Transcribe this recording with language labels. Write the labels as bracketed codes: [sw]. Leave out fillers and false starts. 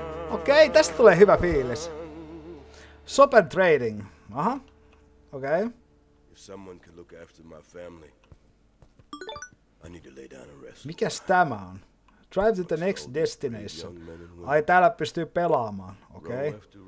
[fi] Okei. Tästä tulee hyvä fiilis. [en] Swap and trading. Aha. Okei. If someone can look after my family, I need to lay down and rest. [fi] Mikäs tämä on? [en] Drive to the next destination. [fi] Ai, täällä pystyy pelaamaan. Okei. Okay.